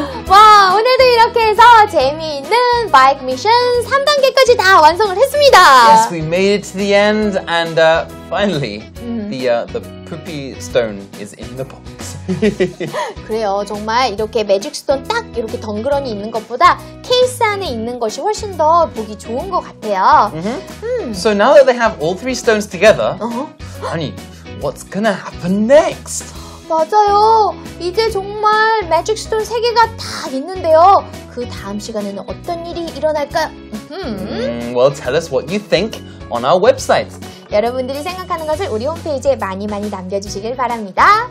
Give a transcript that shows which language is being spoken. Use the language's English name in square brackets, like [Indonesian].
[Korean] Wow, 오늘도 이렇게 해서 재미있는 마이크 미션 3단계까지 다 완성을 했습니다. [English] Yes, we made it to the end and finally the poopy stone is in the box. [Korean] 그래요. 정말 이렇게 매직 스톤 딱 이렇게 덩그러니 있는 것보다 케이스 안에 있는 것이 훨씬 더 보기 좋은 것 같아요. Mm-hmm. [English] So now that they have all three stones together, uh-huh. 아니, what's gonna happen next? [Korean] 맞아요. 이제 정말 매직 스톤 세 개가 다 있는데요. 그 다음 시간에는 어떤 일이 일어날까? [English] Well, tell us what you think on our website. [Korean] 여러분들이 생각하는 것을 우리 홈페이지에 많이 많이 남겨주시길 바랍니다.